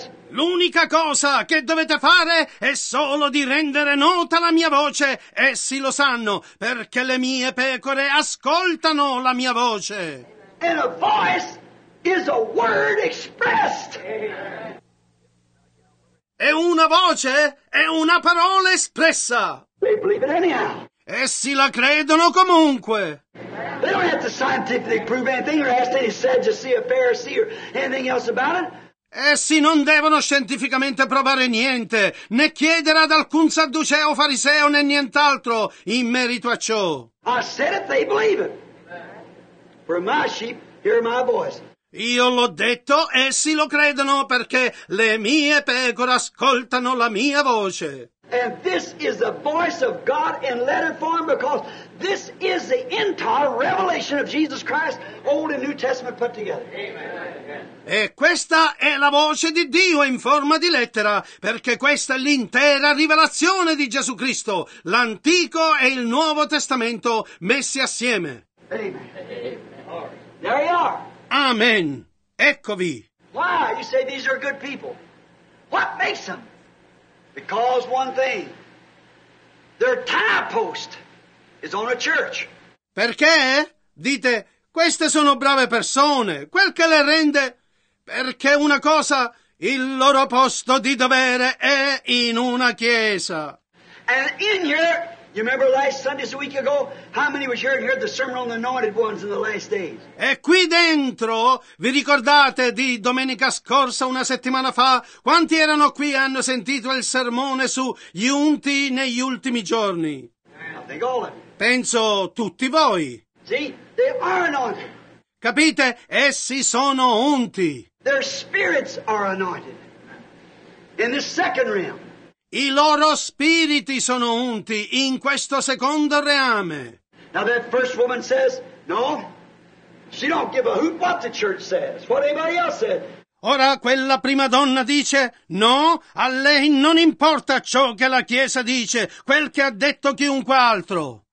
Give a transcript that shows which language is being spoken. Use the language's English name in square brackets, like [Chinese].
[Italian] L'unica cosa che dovete fare è solo di rendere nota la mia voce. Essi lo sanno, perché le mie pecore ascoltano la mia voce. [English] And a voice is a word expressed. [Italian] E una voce è una parola espressa. [English] They believe it anyhow. [Italian] Essi la credono comunque. [English] They don't have to scientifically prove anything or ask any Sadducee or Pharisee or anything else about it. [Italian] Essi non devono scientificamente provare niente, né chiedere ad alcun sadduceo, fariseo, né nient'altro in merito a ciò. [English] I said it, they believe it. For my sheep hear my voice. [Italian] Io l'ho detto, essi lo credono, perché le mie pecore ascoltano la mia voce. [English] And this is the voice of God in letter form, because this is the entire revelation of Jesus Christ, Old and New Testament put together. Amen. [Italian] E questa è la voce di Dio in forma di lettera, perché questa è l'intera rivelazione di Gesù Cristo, l'Antico e il Nuovo Testamento messi assieme. [English] Amen. There you are. [Italian] Amen. Eccovi. [English] Why? You say these are good people. What makes them? Because one thing, their tie post is on a church. [Italian] Perché? Dite, queste sono brave persone. Quel che le rende? Perché una cosa, il loro posto di dovere è in una chiesa. [English] And in here, you remember last Sunday, a week ago, how many was here and heard the sermon on the anointed ones in the last days? [Italian] E qui dentro, vi ricordate di domenica scorsa, una settimana fa, quanti erano qui e hanno sentito il sermone su gli unti negli ultimi giorni? [English] I think all of you. [Italian] Penso tutti voi. [English] See, they are anointed. [Italian] Capite? Essi sono unti. [English] Their spirits are anointed. In the second realm. [Italian] I loro spiriti sono unti in questo secondo reame. [English] Now that first woman says, no, she don't give a hoot what the church says, what anybody else said. [Italian] Ora quella prima donna dice, no, a lei non importa ciò che la Chiesa dice, quel che ha detto chiunque altro.